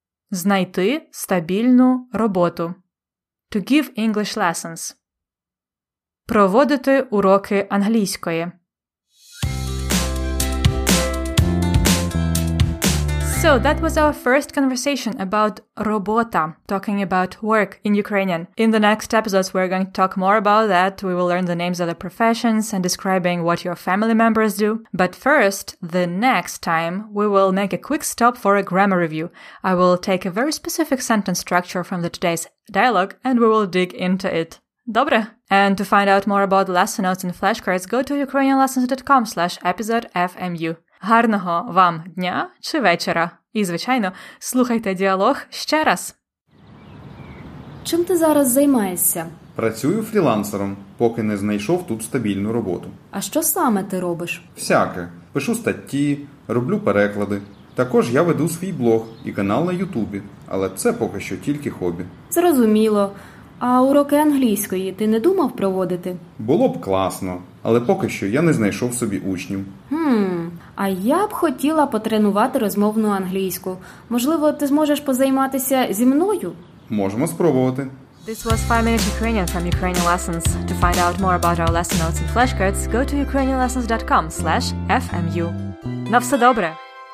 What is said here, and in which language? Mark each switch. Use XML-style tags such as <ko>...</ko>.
<uk>Знайти стабільну роботу.</uk> <en>To give English lessons.</en> <uk>Проводити уроки англійської.</uk> <en>So that was our first conversation about робота, talking about work in Ukrainian. In the next episodes, we're going to talk more about that. We will learn the names of the professions and describing what your family members do. But first, the next time, we will make a quick stop for a grammar review. I will take a very specific sentence structure from the today's dialogue and we will dig into it.</en> <uk>Добре!</uk> <en>And to find out more about lesson notes and flashcards, go to ukrainianlessons.com/episode-fmu.</en> <uk>Гарного вам дня чи вечора. І, звичайно, слухайте діалог ще раз. Чим ти зараз займаєшся? Працюю фрілансером, поки не знайшов тут стабільну роботу. А що саме ти робиш? Всяке. Пишу статті, роблю переклади. Також я веду свій блог і канал на Ютубі. Але це поки що тільки хобі. Зрозуміло. А уроки англійської ти не думав проводити? Було б класно, але поки що я не знайшов собі учнів. А я б хотіла потренувати розмовну англійську. Можливо, ти зможеш позайматися зі мною? Можемо спробувати.</uk> <en>This was 5-Minute Ukrainian from Ukrainian Lessons. To find out more about our lesson notes and flashcards, go to ukrainianlessons.com/fmu.</en> <uk>На все добре!</uk>